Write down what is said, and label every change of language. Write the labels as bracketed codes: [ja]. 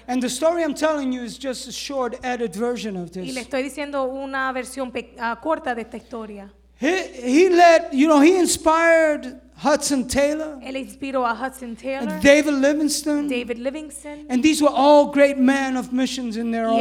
[en] And the story I'm telling you is just a short edited version of this. [es] Y le estoy diciendo una versión corta de esta historia. [en] He let, you know, he inspired Hudson Taylor. [es] Él inspiró a Hudson Taylor. [en] David Livingston. And these were all great men of missions in their own ways.